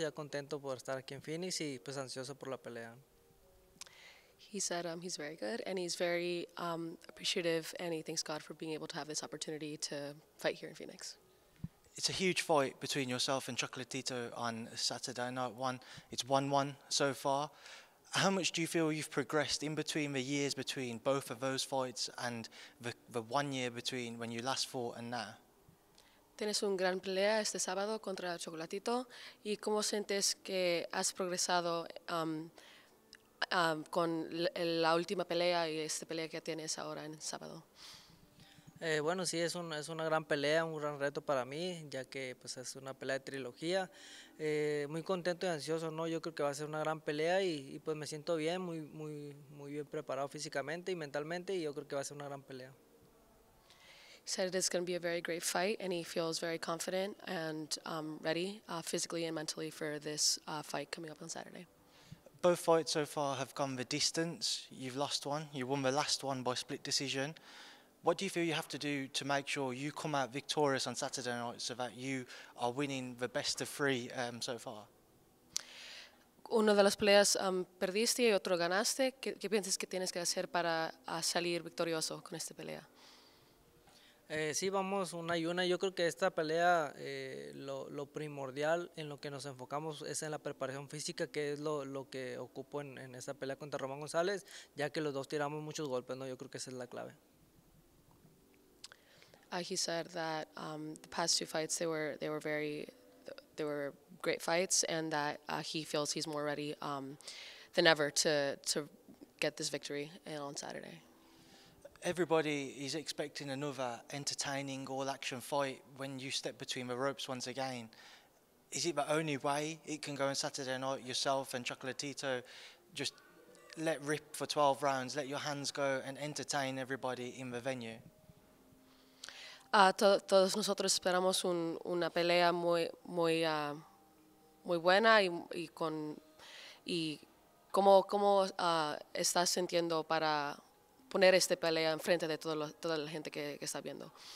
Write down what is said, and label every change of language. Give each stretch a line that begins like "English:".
Spanish: Ya contento por estar aquí en Phoenix y pues ansioso por la pelea.
English: He said he's very good and he's very appreciative and he thanks God for being able to have this opportunity to fight here in Phoenix. It's a huge fight between yourself and Chocolatito on Saturday night. It's 1-1 so far. How much do you feel you've progressed in between the years between both of those fights and the 1 year between when you last fought and now?
Spanish: Tienes un gran pelea este sábado contra Chocolatito. ¿Y cómo sientes que has progresado con la última pelea y esta pelea que tienes ahora en el sábado? Bueno, sí, es una gran pelea, un gran reto para mí, ya que pues, es una pelea de trilogía. Muy contento y ansioso, ¿no? Yo creo que va a ser una gran pelea y pues me siento bien, muy bien preparado físicamente y mentalmente, y yo creo que va a ser una gran pelea.
English: Said it's going to be a very great fight, and he feels very confident and ready physically and mentally for this fight coming up on Saturday. Both fights so far have gone the distance. You've lost one. You won the last one by split decision. What do you feel you have to do to make sure you come out victorious on Saturday night so that you are winning the best of three so far?
Spanish: Una de las peleas perdiste y otro ganaste. ¿Qué piensas que tienes que hacer para salir victorioso con esta pelea? Sí, vamos una y una. Yo creo que esta pelea, lo primordial en lo que nos enfocamos es en la preparación física, que es lo que ocupo en esta pelea contra Roman Gonzalez, ya que los dos tiramos muchos golpes, ¿no? Yo creo que esa es la clave.
English: He said that the past two fights, they were great fights, and that he feels he's more ready than ever to get this victory on Saturday. Everybody is expecting another entertaining all-action fight when you step between the ropes once again. Is it the only way it can go on Saturday night, yourself and Chocolatito just let rip for 12 rounds, let your hands go and entertain everybody in the venue?
Spanish: Todos nosotros esperamos una pelea muy buena y cómo estás sintiendo para poner esta pelea enfrente de toda la gente que está viendo.